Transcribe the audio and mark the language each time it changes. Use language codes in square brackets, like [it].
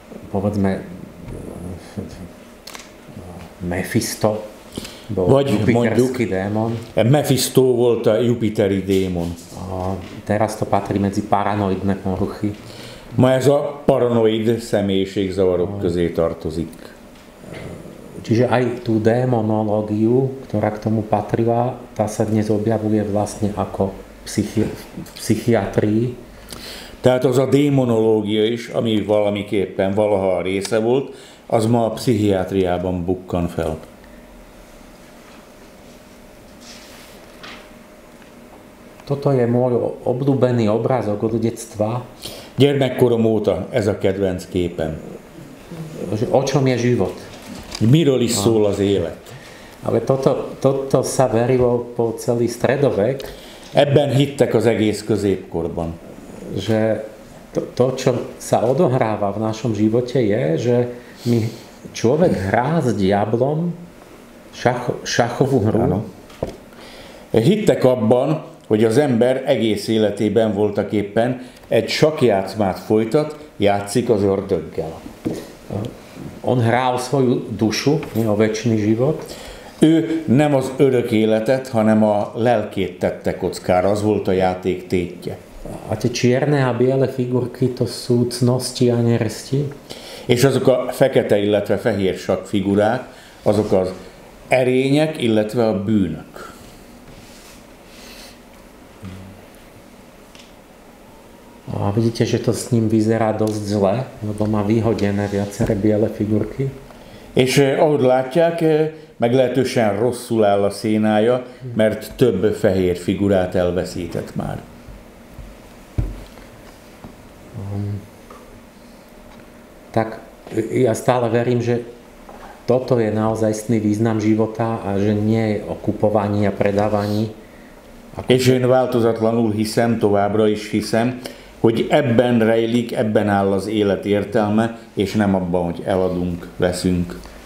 [sk] Povedzme, Mephisto, [hu] vagy [sk] jupiterský démon. [hu] Mephisto volt a jupiteri démon. [sk] Teraz to patrí medzi paranoidné poruchy. [hu] Ma ez a paranoid személyiségzavarok közé tartozik. [sk] Čiže aj tú démonológiu, ktorá k tomu patrila, tá sa dnes objavuje vlastne ako psychiatrii. [hu] Tehát az a démonológia is, ami valamiképpen valaha a része volt, az ma a pszichiátriában bukkan fel. [sk] Toto je môj obľúbený obrázok od detstva. [hu] Gyermekkorom óta ez a kedvenc képem. [sk] O čom je život? [hu] Miről is szól az élet? [sk] Ale toto sa verilo po celý stredovek. [hu] Ebben hittek az egész középkorban. [sk] Že to, čo sa odohráva v našom živote, je, že mi človek hrá s diablom šachovú hru. Ano. [hu] Hittek abban, hogy az ember egész életében voltak éppen egy sakjátszmát folytat, játszik az ördöggel. [sk] On hrá o svoju dušu, nie o večný život. [hu] Ő nem az örök életet, hanem a lelkét tette kockára, az volt a játék tétje. [sk] A tie čierne a biele figurky, to sú cnosti a neresti. [hu] És azok a fekete, illetve fehér sak figurák, azok az erények, illetve a bűnök. [sk] A vidíte, že to s ním vyzerá dosť zle, lebo má vyhodené viaceré biele figurky. [hu] És ahogy látják, meglehetősen rosszul áll a szénája, mert több fehér figurát elveszített már. [sk] Tak ja stále verím, že toto je naozajstný význam života a že nie je o kupovaní a predávaní. [hu] És én változatlanul hiszem, továbbra is hiszem, hogy ebben rejlik, ebben áll az élet értelme, és nem abban, hogy eladunk, veszünk.